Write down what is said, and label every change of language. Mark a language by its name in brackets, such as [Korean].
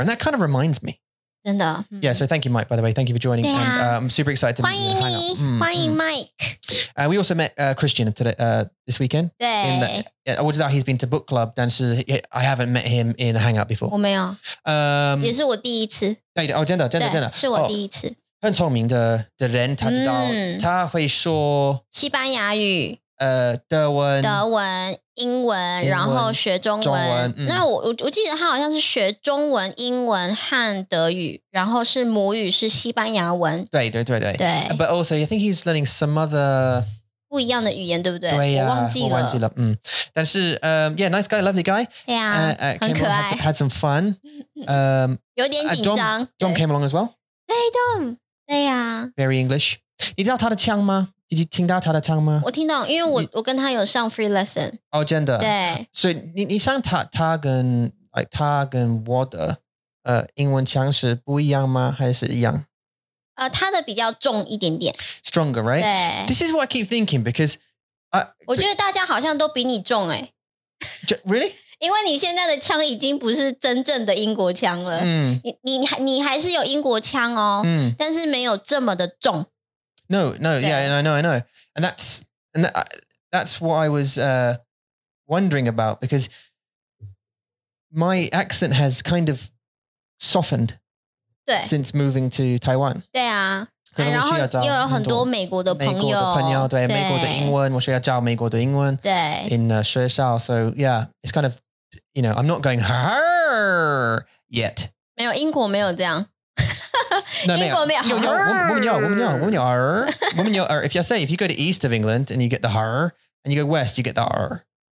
[English] And that kind of reminds me. [Chinese] 真的。 [English] Yeah, so thank you, Mike, by the way. Thank you for joining. And, I'm super excited to meet you. [Chinese] 欢迎你。欢迎 Mike. [English] We also met Christian today, this weekend. 对。In the, I would say he's been to book club, 但是 I haven't met him in a hangout before. [Chinese] 我没有，也是我第一次。对的，哦，真的，真的，真的，是我第一次。很聪明的人，他知道，他会说西班牙语，德文，德文，英文，然后学中文。那我记得他好像是学中文、英文和德语，然后是母语是西班牙文。对对对对。对。 [English] But also, I think he's learning some other. [Chinese] 不一样的语言，对不对？对呀、啊，我忘记了。 [English] 但是yeah, nice guy, lovely guy. [Chinese] 对呀、啊，很可爱。 [English] Had some fun. [Chinese] 有点紧张。 [English] Dom came along as well. [Chinese] 对 ，Dom， 对呀、啊。 [English] Very English. [Chinese] 你知道他的腔吗？你听到他的腔吗？我听到，因为我跟他有上 [English] free lesson。 [Chinese] 哦，真的。对。所以你上他跟我的英文腔是不一样吗？还是一样？他的比较重一点点 [English] ，stronger, right? ，This is what I keep thinking because, [Chinese] 我觉得大家好像都比你重哎、 [English] 欸、，Really? [Chinese] 因为你现在的枪已经不是真正的英国枪了，你还是有英国枪哦，但是没有这么的重。 [English] No, no, yeah, and I know, and that's what I was wondering about because my accent has kind of softened. [Chinese] 对 [English] Since moving to Taiwan. [Chinese] 对啊然后又有很多美国的朋友。美国的朋友 对, 对美国的英文我需要教美国的英文。对。 [English] In 学校 So yeah, it's kind of, you know, I'm not going her yet. [Chinese] 没有英国没有这样。 [English] No, [Chinese] 英国没有。我们有 [English] If you say, if you go to east of England and you get the her, and you go west, you get the her.